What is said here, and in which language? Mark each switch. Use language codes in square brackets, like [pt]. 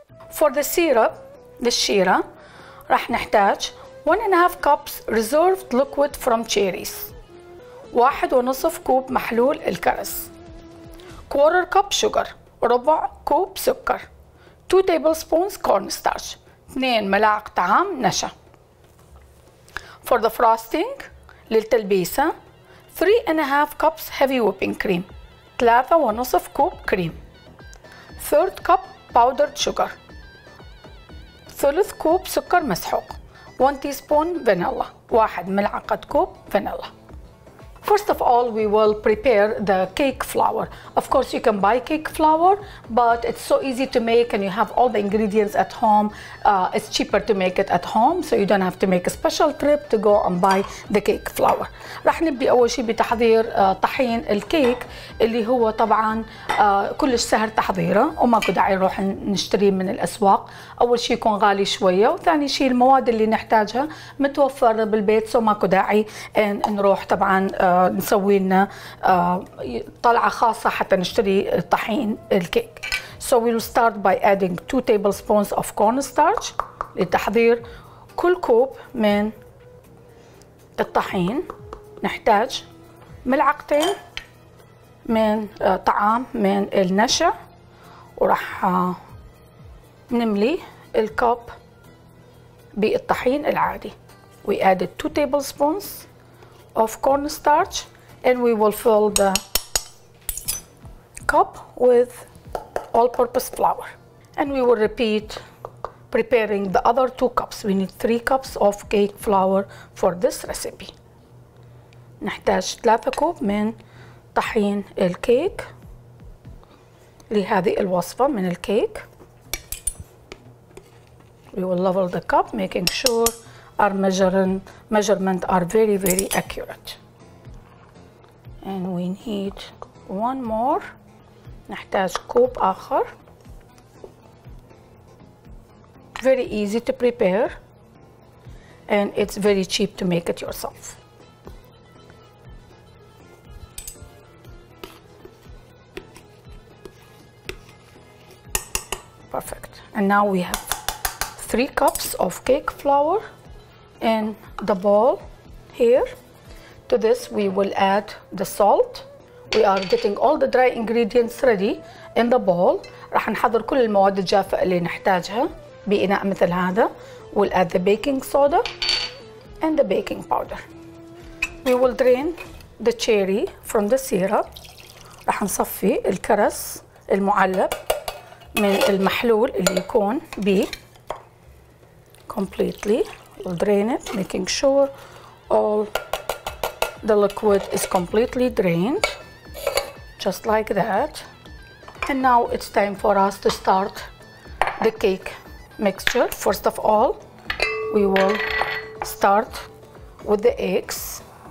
[en] for the syrup للشيرة راح نحتاج 1.5 cups reserved liquid from cherries, [ar] 1.5 كوب محلول الكرز، [en] quarter cup sugar [ar] ربع كوب سكر، [en] 2 tablespoons cornstarch [ar] 2 ملاعق طعام نشا. [en] For the frosting [ar] للتلبيسة [en] 3.5 cups heavy whipping cream [ar] 3.5 كوب كريم، [en] 3 cup powdered sugar، [ar] ثلث كوب سكر مسحوق، [en] 1 teaspoon vanilla [ar] 1 ملعقة كوب فانيلا. [en] First of all, we will prepare the cake flour. Of course, you can buy cake flour, but it's so easy to make and you have all the ingredients at home. It's cheaper to make it at home, so you don't have to make a special trip to go and buy the cake flour. [ar] رح نبدي أول شيء بتحضير طحين الكيك اللي هو طبعاً كلش سهل تحضيره وما كو داعي نروح نشتريه من الأسواق. أول شيء يكون غالي شوية، وثاني شيء المواد اللي نحتاجها متوفرة بالبيت، سو ما كو داعي نروح طبعاً نسوي لنا طلعة خاصة حتى نشتري طحين الكيك. [en] So we will start by adding 2 tablespoons of cornstarch [ar] لتحضير كل كوب من الطحين. نحتاج ملعقتين من طعام من النشا، وراح نملي الكوب بالطحين العادي. [en] We added 2 tablespoons of cornstarch and we will fill the cup with all-purpose flour and we will repeat preparing the other 2 cups. We need 3 cups of cake flour for this recipe. [ar] نحتاج 3 كوب من طحين الكيك لهذه الوصفة من الكيك. [en] We will level the cup making sure our measurement are very very accurate. And we need one more. [ar] نحتاج كوب آخر. [en] Very easy to prepare and it's very cheap to make it yourself. Perfect. And now we have 3 cups of cake flour in the bowl here. To this we will add the salt. We are getting all the dry ingredients ready in the bowl. [ar] راح نحضر كل المواد الجافة اللي نحتاجها بإناء مثل هذا. [en] We'll add the baking soda and the baking powder. We will drain the cherry from the syrup. [ar] راح نصفي الكرز المعلب من المحلول اللي يكون به completely. [en] We'll drain it, making sure all the liquid is completely drained, just like that. And now it's time for us to start the cake mixture. First of all, we will start with the eggs.